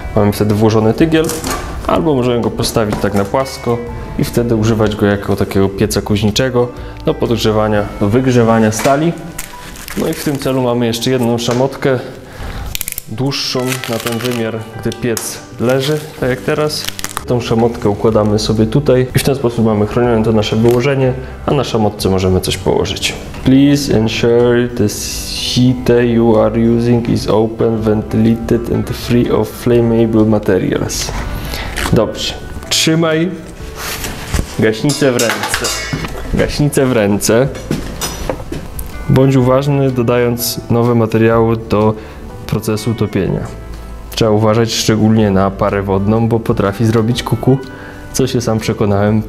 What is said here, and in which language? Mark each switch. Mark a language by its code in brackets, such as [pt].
[pl] Mamy wtedy włożony tygiel, albo możemy go postawić tak na płasko i wtedy używać go jako takiego pieca kuźniczego do podgrzewania, do wygrzewania stali. No i w tym celu mamy jeszcze jedną szamotkę, dłuższą na ten wymiar, gdy piec leży, tak jak teraz. Tą szamotkę układamy sobie tutaj i w ten sposób mamy chronione to nasze wyłożenie, a na szamotce możemy coś położyć. [en] Please ensure the heater you are using is open, ventilated and free of flammable materials. [pl] Dobrze, trzymaj gaśnicę w ręce. Gaśnicę w ręce. Bądź uważny, dodając nowe materiały do procesu topienia. Trzeba uważać szczególnie na parę wodną, bo potrafi zrobić kuku, co się sam przekonałem.